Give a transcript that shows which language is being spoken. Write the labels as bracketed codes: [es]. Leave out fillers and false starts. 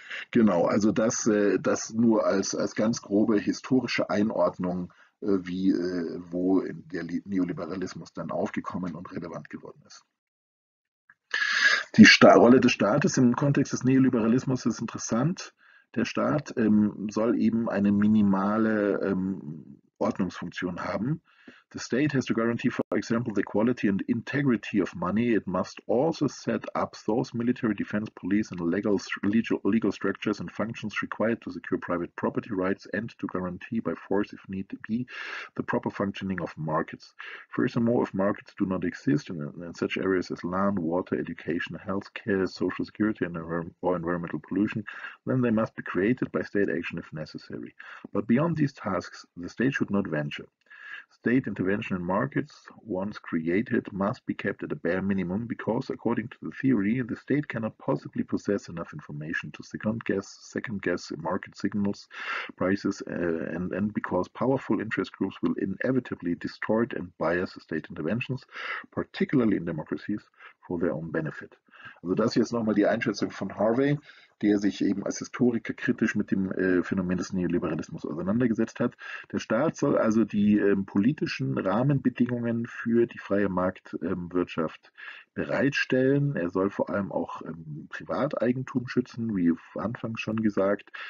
[de] Genau, also das nur als ganz grobe historische Einordnung, wo in der Neoliberalismus dann aufgekommen und relevant geworden ist. Die Rolle des Staates im Kontext des Neoliberalismus ist interessant. Der Staat soll eben eine minimale Ordnungsfunktion haben. [en] The state has to guarantee, for example, the quality and integrity of money. It must also set up those military defense, police and legal structures and functions required to secure private property rights and to guarantee by force, if need be, the proper functioning of markets. Furthermore, if markets do not exist in such areas as land, water, education, healthcare, social security or environmental pollution, then they must be created by state action if necessary. But beyond these tasks, the state should not venture. State intervention in markets, once created, must be kept at a bare minimum, because according to the theory, the state cannot possibly possess enough information to second guess market signals, prices, and because powerful interest groups will inevitably distort and bias state interventions, particularly in democracies, for their own benefit. [de] Also das hier ist nochmal die Einschätzung von Harvey, der sich eben als Historiker kritisch mit dem Phänomen des Neoliberalismus auseinandergesetzt hat. Der Staat soll also die politischen Rahmenbedingungen für die freie Marktwirtschaft bereitstellen. Er soll vor allem auch Privateigentum schützen, wie anfangs schon gesagt.